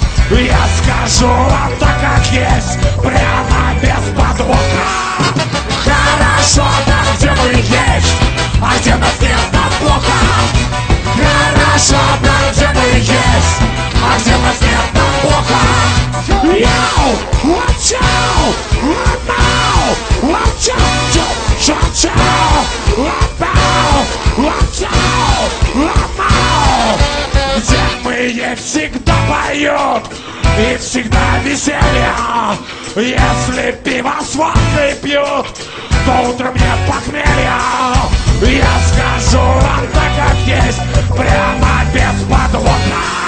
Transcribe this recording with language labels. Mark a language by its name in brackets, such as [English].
[Russian] Я скажу вам так, как есть, прямо без подвоха. Хорошо там, где мы есть, а где нас нет, нам плохо. Хорошо там, где мы есть, а где нас нет, нам плохо. [English] Йоу, watch out, run out, watch out, cha-cha, run out, watch out, run out. [Russian] Где мы есть, всегда поют и всегда веселье. Если пиво с водкой пьют, то утром нет похмелья. Я скажу вам так, как есть, прямо без подвода.